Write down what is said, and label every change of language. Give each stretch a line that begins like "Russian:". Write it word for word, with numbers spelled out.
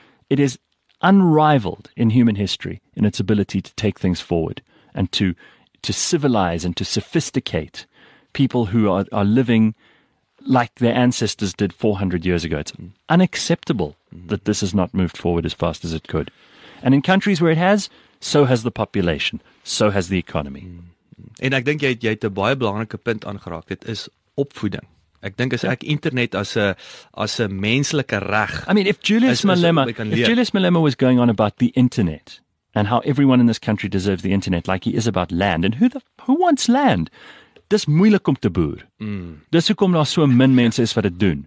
English: It is unrivaled in human history in its ability to take things forward and to to civilize and to sophisticate people who are, are living like their ancestors did four hundred years ago. It's unacceptable mm-hmm. that this has not moved forward as fast as it could. And in countries where it has, so has the population, so has the economy. Mm.
Afrikaans: En ek dink jy het, jy het 'n baie belangrike punt aangeraak. Dit is opvoeding. Ek dink as ek internet as 'n as 'n menslike reg.
English: I mean, if Julius is, Malema is if Julius Malema was going on about the internet and how everyone in this country deserves the internet, like he is about land, and who the who wants land?
Afrikaans: Dis moeilik om te boer. Mm. Dis hoekom daar so min mense is wat dit doen.